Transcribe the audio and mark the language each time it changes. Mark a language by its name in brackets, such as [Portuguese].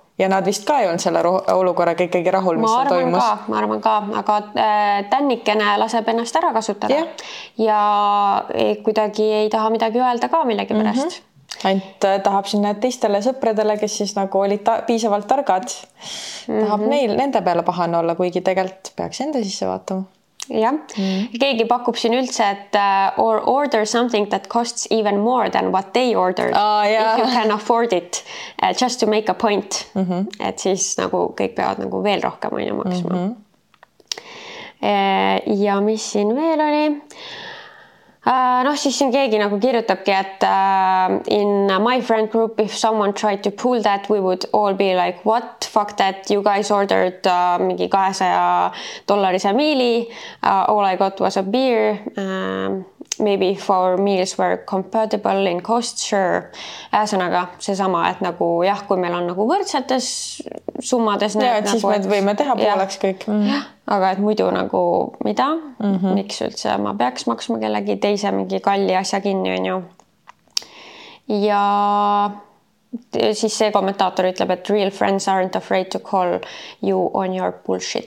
[Estonian] Ja nad vist ka ei olnud selle olukorraga ikkagi rahul, mis seal toimus. Ma arvan ka. Aga tännikene laseb ennast ära kasutada. Yeah. Ja kuidagi ei taha midagi öelda ka millegi pärast. Mm-hmm. Ainult tahab sinna teistele sõpradele, kes siis nagu olid piisavalt targad. Mm-hmm. Tahab neil nende peale pahane olla, kuigi tegelikult peaks enda sisse vaatama. Ja keegi pakub siin üldse, et [English] or order something that costs even more than what they ordered, if you can afford it, just to make a point. Mm-hmm. [Estonian] Et siis nagu kõik peavad nagu veel rohkem ainu maksma. Mm-hmm. Ja mis siin veel oli? Siis siin keegi nagu kirjutabki, et [English] in my friend group, if someone tried to pull that, we would all be like, what fuck that, you guys ordered mingi $200 meali, all I got was a beer, maybe if our meals were compatible in cost, sure. [Estonian] Ühesõnaga see sama, et nagu jah, kui meil on nagu võrdsetes summades need, ja, et siis nagu, me võime teha pooleks ja. Kõik. Mm. Aga et muidu nagu mida, mm-hmm. miks üldse ma peaks maksma kellegi teise mingi kalli asja kinni on ju. Ja siis see kommentaator ütleb, et [English] real friends aren't afraid to call you on your bullshit.